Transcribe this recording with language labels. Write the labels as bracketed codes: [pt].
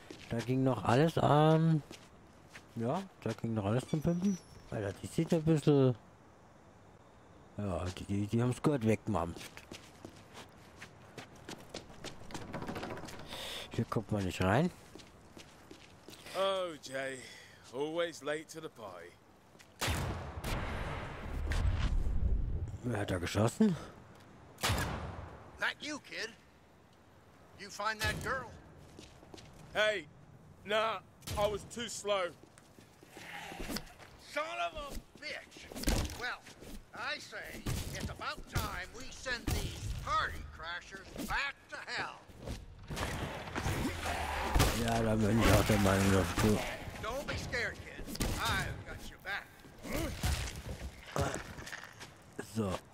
[de] Da ging noch alles an. Ja, da ging noch alles zum Pimpen. Alter, die sieht ein bisschen... Ja, die haben es gut weggemampft. Hier kommt man nicht rein. [en] Oh, Jay. Always late to the party. [de] Wer hat da geschossen? [en] Not you, kid. You find that girl. Hey. Nah, I was too slow. Son of a bitch! Well, I say, it's about time we send these party crashers back to hell. [de] Yeah, da bin ich auch der Meinung dazu. [en] Don't be scared, kid. I've got your back. So.